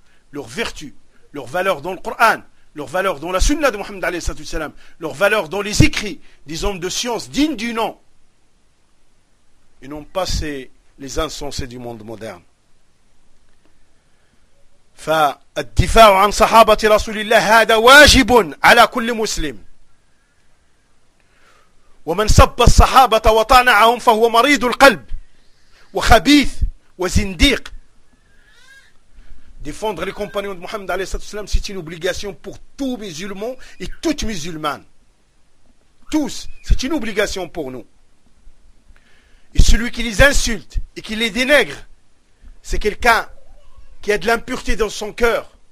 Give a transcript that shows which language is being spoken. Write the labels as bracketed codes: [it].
[fr] Leur vertu, leur valeur dans le Qur'an, leur valeur dans la sunna de Mohammed [ar] alayhi salatu wassalam, [fr] leur valeur dans les écrits des hommes de science dignes du nom. Et non pas ces, les insensés du monde moderne. [ar] فالدفاع عن صحابة رسول الله هذا واجب على كل مسلم ومن سب الصحابة وطعنهم فهو مريض القلب وخبيث وزنديق. [fr] Défendre les compagnons de Mohammed [ar] عليه الصلاة والسلام, [fr] c'est une obligation pour tous musulmans et toutes musulmanes. Tous, c'est une obligation pour nous. Et celui qui les insulte et qui les dénigre, c'est quelqu'un qui a de l'impureté dans son cœur.